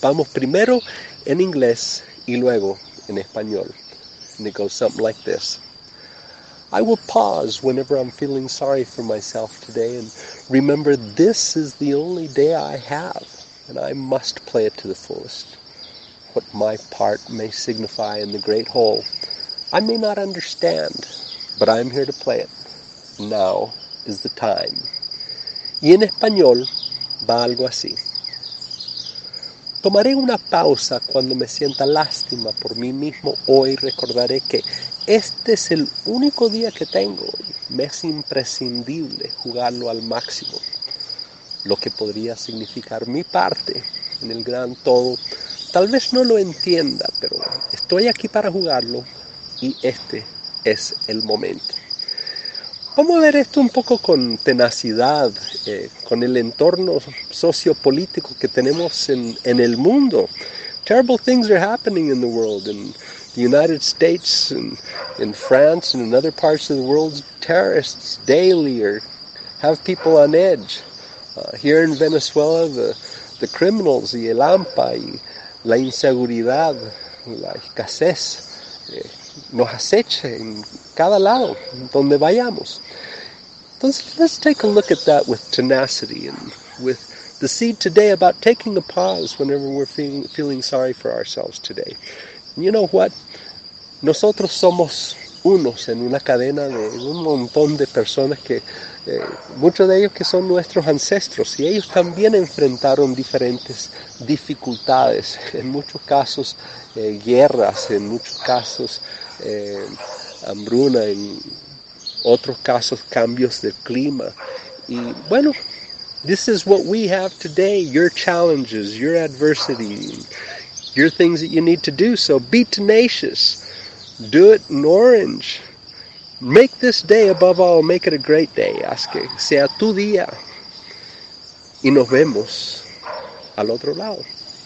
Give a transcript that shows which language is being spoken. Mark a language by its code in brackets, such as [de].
[es] Vamos primero en inglés y luego en español. [en] And it goes something like this. I will pause whenever I'm feeling sorry for myself today and remember this is the only day I have and I must play it to the fullest. What my part may signify in the great whole, I may not understand, but I am here to play it. Now is the time. [es] Y en español va algo así. Tomaré una pausa cuando me sienta lástima por mí mismo. Hoy recordaré que este es el único día que tengo. Me es imprescindible jugarlo al máximo. Lo que podría significar mi parte en el gran todo, tal vez no lo entienda, pero estoy aquí para jugarlo y este es el momento. Vamos a ver esto un poco con tenacidad, con el entorno sociopolítico que tenemos en el mundo. [en] Terrible things are happening in the world, in the United States, in France, and in other parts of the world. Terrorists daily have people on edge. Here in Venezuela, the criminals, [es] y el hampa, y la inseguridad, la escasez, nos acecha en cada lado, donde vayamos. [en] Entonces, let's take a look at that with tenacity and with the seed today about taking a pause whenever we're feeling sorry for ourselves today. And you know what? [es] Nosotros somos unos en una cadena de un montón de personas que, muchos de ellos que son nuestros ancestros, y ellos también enfrentaron diferentes dificultades, en muchos casos guerras, en muchos casos hambruna, en otros casos cambios del clima. Y bueno, [en] this is what we have today, your challenges, your adversity, your things that you need to do, so be tenacious. Do it in orange. Make this day, above all, make it a great day. [es] Haz que sea tu día. Y nos vemos al otro lado.